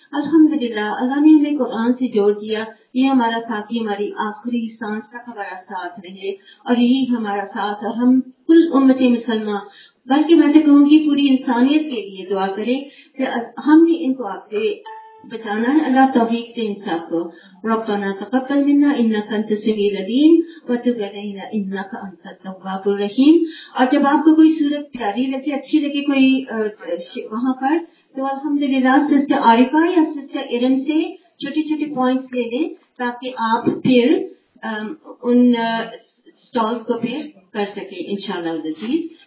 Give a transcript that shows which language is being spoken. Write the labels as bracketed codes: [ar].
[ur] الحمدللہ اللہ نے ہمیں قرآن سے جوڑ دیا, یہ ہمارا ساتھی ہماری آخری سانس تک ہمارا ساتھ رہے اور یہی ہمارا ساتھ اور ہم کل امت مسلمہ بلکہ میں تو کہوں گی پوری انسانیت کے لیے دعا کریں کہ ہم بھی ان کو آپ سے بچانا ہے. اللہ توفیق دے انصاف کو. [ar] ربنا تقبل منا انك انت السميع العليم وتب علينا انك انت التواب الرحيم. [ur] اور جب آپ کو کوئی صورت پیاری لگے اچھی لگے کوئی وہاں پر تو الحمدللہ سسٹر عارفہ یا سسٹر ارم سے چھوٹے چھوٹے پوائنٹس لے لیں تاکہ آپ پھر ان سٹالز کو پھر کر سکیں انشاءاللہ العزیز.